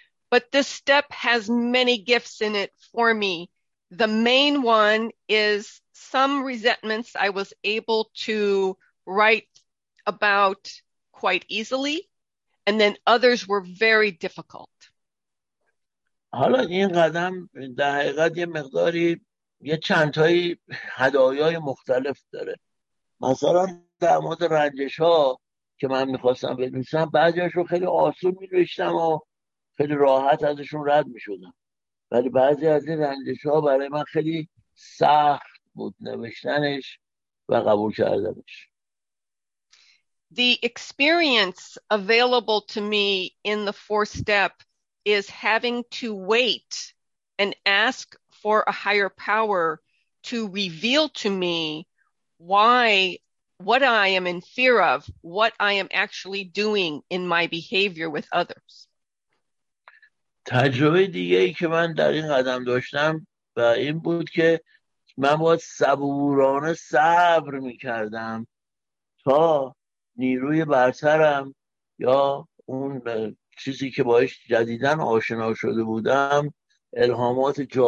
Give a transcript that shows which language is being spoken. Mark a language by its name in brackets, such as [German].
[English] But this step has many gifts in it for me. The main one is some resentments I was able to write about quite easily, and then others were very difficult. [Persian] حالا این قدم در حقیقت یه مقداری یه چند تایی هدایای مختلف داره. مثلا در مورد رنجش ها که من میخواستم بنویسم، بعضیاشو خیلی آسون می‌نوشتم و خیلی راحت ازشون رد می‌شدم، ولی بعضی از این رنجش ها برای من خیلی سخت بود نوشتنش و قبول کردنش. [English] The experience available to me in the fourth step is having to wait and ask for a higher power to reveal to me what I am in fear of, what I am actually doing in my behavior with others. [Persian] تجربه دیگه ای که من در این قدم داشتم و این بود که من باید صبورانه صبر می کردم تا نیروی برترم یا اون چیزی که باهاش جدیدن آشنا شده بودم الهامات